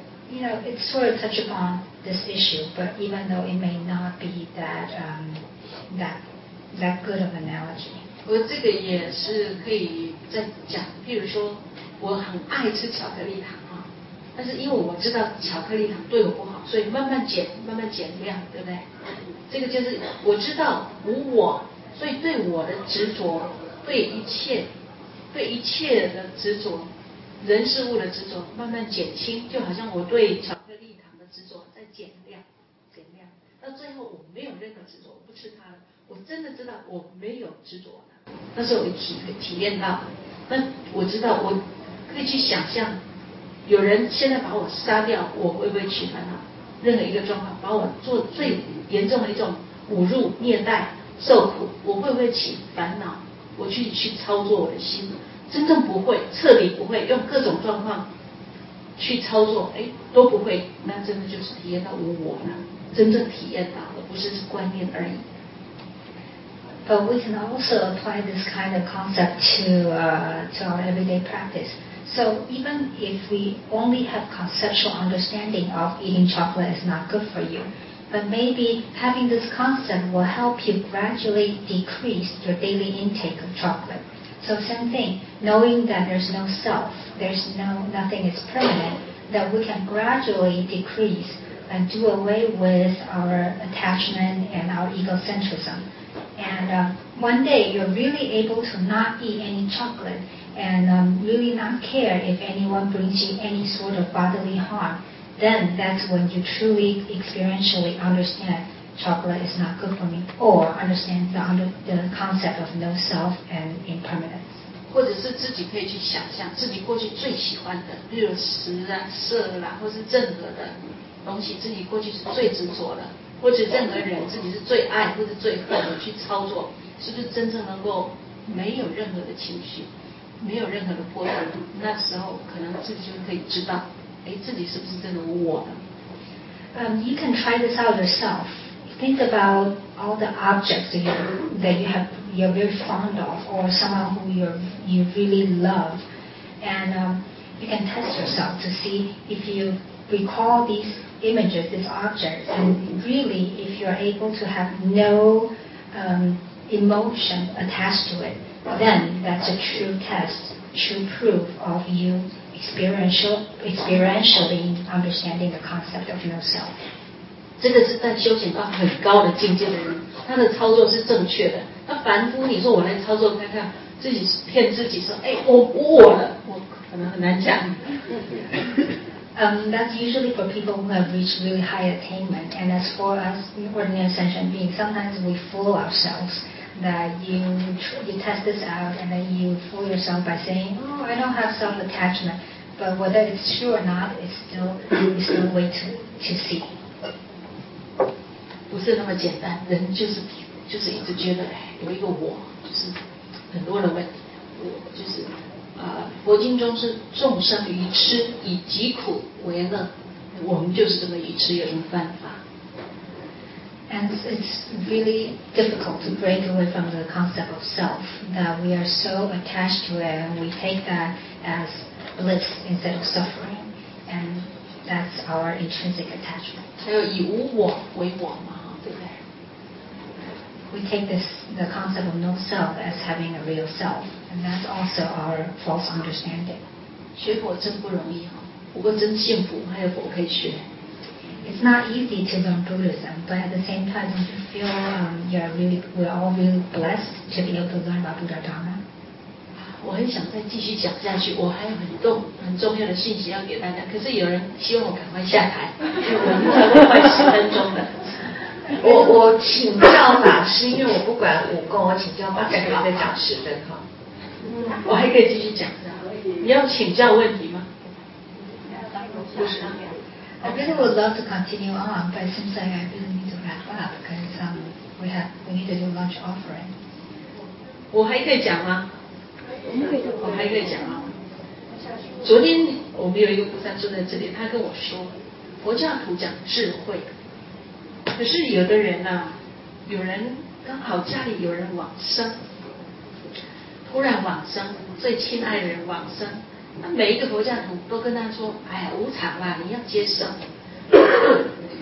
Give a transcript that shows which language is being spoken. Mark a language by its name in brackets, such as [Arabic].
[English] You know, it's sort of touch upon this issue, but even though it may not be that, that good of an analogy. [Chinese] 我这个也是可以再讲，譬如说我很爱吃巧克力糖啊，但是因为我知道巧克力糖对我不好，所以慢慢减，慢慢减量，对不对？这个就是我知道无我，所以对我的执着，对一切的执着，人事物的执着慢慢减轻，就好像我对巧克力糖的执着在减量，减量到最后我没有任何执着，我不吃它了，我真的知道我没有执着了。那时候我体验到，那我知道我可以去想象，有人现在把我杀掉，我会不会取烦恼？任何一个状况把我做最严重的一种侮辱、虐待、受苦，我会不会起烦恼？我去操作我的心，真正不会，彻底不会，用各种状况去操作，都不会。那真的就是体验到无我了，真正体验到，而不是是观念而已。 [English] But we can also apply this kind of concept to our everyday practice. So even if we only have conceptual understanding of eating chocolate is not good for you, but maybe having this concept will help you gradually decrease your daily intake of chocolate. So same thing, knowing that there's no self, nothing is permanent, that we can gradually decrease and do away with our attachment and our egocentrism. One day you're really able to not eat any chocolate and really not care if anyone brings you any sort of bodily harm. Then that's when you truly experientially understand chocolate is not good for me, or understand the concept of no self and impermanence. [Chinese] 或者是自己可以去想象自己过去最喜欢的，比如食啊、色啊，或是任何的东西，自己过去是最执着的。或者任何人自己是最爱或者最恨的去操作，是不是真正能够没有任何的情绪，没有任何的波动？那时候可能自己就可以知道，自己是不是真的无我的。 [English] You can try this out yourself. Think about all the objects that you're very fond of, or someone who you really love, and you can test yourself to see if you recall these. Images, these objects, and really, if you are able to have no emotion attached to it, then that's a true test, true proof of you experientially understanding the concept of no self. [Chinese] 这个是在修行到很高的境界的人，他的操作是正确的。那凡夫，你说我来操作看看，自己骗自己说，我无我了，我可能很难讲。 [English] That's usually for people who have reached really high attainment. And as for us ordinary sentient beings, sometimes we fool ourselves that you test this out and then you fool yourself by saying, I don't have self-attachment. But whether it's true or not, it's still a way to see. [Chinese] 不是那么简单，人就是一直觉得有一个我，就是很多人问我，就是佛经中是众生愚痴以疾苦为乐，我们就是这么愚痴，有什么办法？ [English] And it's really difficult to break away from the concept of self, that we are so attached to it and we take that as bliss instead of suffering, and that's our intrinsic attachment. [Chinese] 还有以无我为我吗？对不对？ [English] We take this, the concept of no self as having a real self, and that's also our false understanding. [Chinese] 学佛真不容易，不过真幸福，还有佛可以学。 [English] It's not easy to learn Buddhism, but at the same time, don't you feel we're all really blessed to be able to learn about Buddha Dharma? [Chinese] 我很想再继续讲下去，我还有很重要的信息要给大家，可是有人希望我赶快下台，我们才会快十分钟的。我请教法师，因为我不管武功，我请教法师可以再讲十分钟。我还可以继续讲，你要请教问题吗？不是。 [English] I really would love to continue on, but it seems like I really need to wrap up because we need to do lunch offering. [Chinese] 我还可以讲吗？我还可以讲吗？昨天我们有一个菩萨坐在这里，他跟我说，佛教徒讲智慧。可是有的人呢、啊，有人刚好家里有人往生，突然往生，最亲爱的人往生，那每一个佛教徒都跟他说：“哎呀，无常啦，你要接受。”